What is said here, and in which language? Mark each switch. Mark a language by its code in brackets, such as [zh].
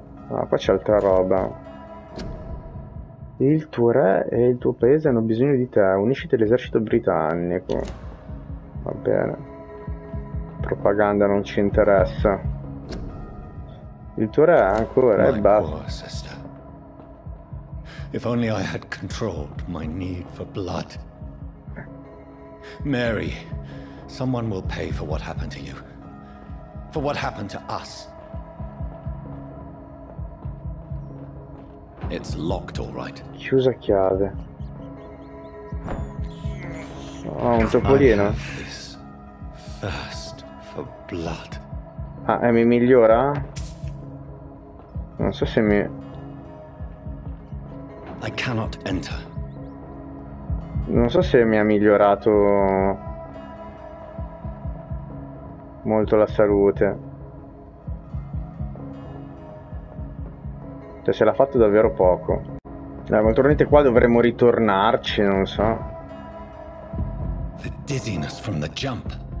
[it] Ah, qua c'è altra roba. Il tuo re e il tuo paese hanno bisogno di te. Unisciti all'esercito britannico. Va bene. Propaganda non ci interessa. Il tuo re è ancora e basta. [en] If only I had controlled my need for blood. Mary, someone will pay for what happened to you. For what happened to us. It's locked, all right. [it] Chiusa chiave. Oh, un topolino. [en] Thirst for blood. [it] Ah, e mi migliora? Non so se mi... [en] I cannot enter. [it] Non so se mi ha migliorato molto la salute. Cioè, se l'ha fatto davvero poco. Naturalmente qua dovremmo ritornarci, non so. [en] The dizziness from the jump.